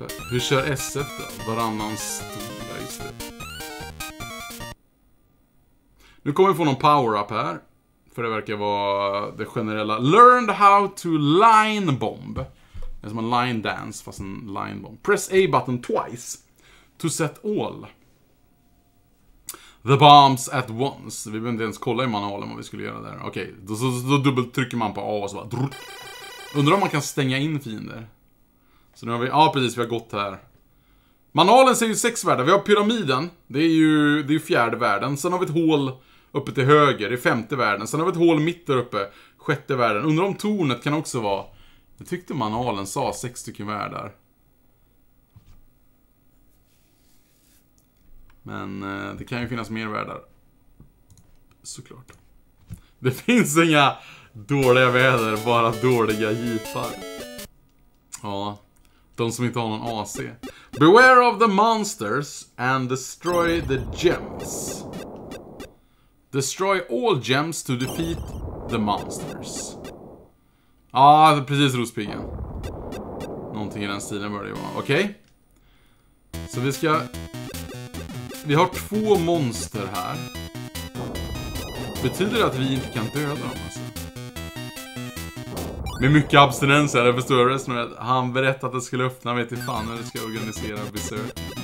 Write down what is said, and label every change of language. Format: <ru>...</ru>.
<sv>Hur kör SF då? Varannan stol, just det. Nu kommer vi få någon power-up här. För det verkar vara det generella.</sv> <en>Learned how to line bomb.</en> <sv>Det är som en line dance fast en line bomb.</sv> <en>Press A button twice to set all the bombs at once.</en> <sv>Vi behöver inte ens kolla i manualen vad vi skulle göra där. Okej, okay. Då dubbeltrycker man på A och så bara. Undrar om man kan stänga in fiender. Så nu har vi, ja precis, vi har gått här. Manualen säger ju sex världar. Vi har pyramiden, det är ju fjärde världen. Sen har vi ett hål uppe till höger, i femte världen. Sen har vi ett hål mitt där uppe, sjätte världen. Undrar om tornet kan också vara... Jag tyckte manualen sa sex stycken världar. Men det kan ju finnas mer världar. Såklart. Det finns inga dåliga väder, bara dåliga jeepar. Ja, de som inte har någon AC.</sv> <en>Beware of the monsters and destroy the gems. Destroy all gems to defeat the monsters.</en> <sv>Ja, precis, rospiggen. Någonting i den stilen bör det vara. Okej. Så vi ska... Vi har två monster här. Betyder det att vi inte kan döda dem? Alltså? Med mycket abstinens här, det förstår jag resten. Han berättade att det skulle öppna mig till fan när det ska organisera besök.</sv>